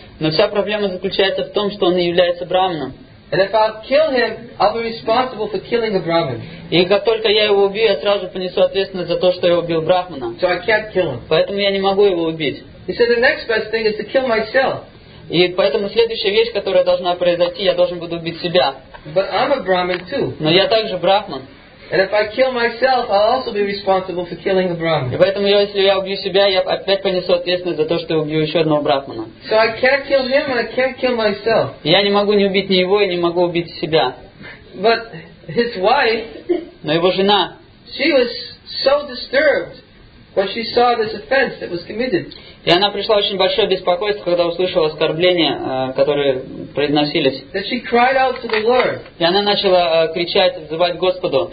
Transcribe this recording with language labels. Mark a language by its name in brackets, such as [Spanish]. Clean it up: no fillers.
[Russian] Но вся проблема заключается в том, что он является брахманом. [English] And if I'll kill him, I'll be responsible for killing a Brahmin. [Russian] И как только я его убью, я сразу понесу ответственность за то, что я убил брахмана. [English] So I can't kill him. [Russian] Поэтому я не могу его убить. [English] He said the next best thing is to kill myself. [Russian] И поэтому следующая вещь, которая должна произойти, я должен буду убить себя. [English] But I'm a Brahmin too. [Russian] Но я также брахман. [English] And if I kill myself, I'll also be responsible for killing a Brahmin. [Russian] И поэтому если я убью себя, я опять понесу ответственность за то, что я убью еще одного брахмана. [English] So I can't kill him and I can't kill myself. [Russian] Я не могу не убить ни его, и не могу убить себя. [English] But his wife. [Russian] Но его жена. [English] She was so disturbed when she saw this offense that was committed. [Russian] И она пришла в очень большое беспокойство, когда услышала оскорбления, которые произносились. [English] That she cried out to the Lord. [Russian] И она начала кричать, взывать Господу.